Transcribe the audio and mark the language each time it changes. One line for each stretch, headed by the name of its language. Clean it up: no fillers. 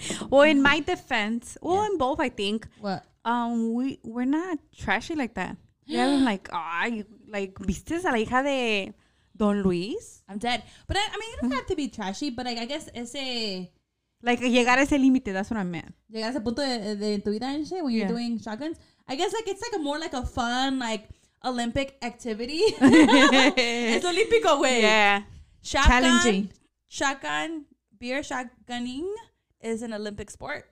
English: well, in my defense, well, in both, I think. What? We're not trashy like that. We haven't like,
Spanish: ¿viste a la hija de Don Luis?
English: I'm dead. But I mean, you don't have to be trashy, but like, I guess ese... Like,
Spanish: llegar a ese límite,
English: that's what I meant.
Spanish: Llegar a ese punto de tu vida en
English: shit when you're doing shotguns. I guess like it's like a more like a fun like Olympic activity. It's Olímpico way. Yeah. Challenging. Shotgun beer shotgunning is an Olympic sport.